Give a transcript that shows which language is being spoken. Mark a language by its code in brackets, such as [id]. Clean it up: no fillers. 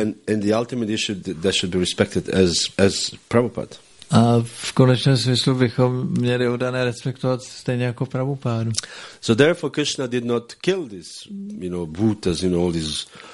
[en] And the ultimate issue that should be respected as Prabhupada. [cs] A v konečném smyslu bychom měli oddané respektovat stejně jako Prabhupádu. [en] So therefore Krishna did not kill these, you know, bhutas, you know, all these.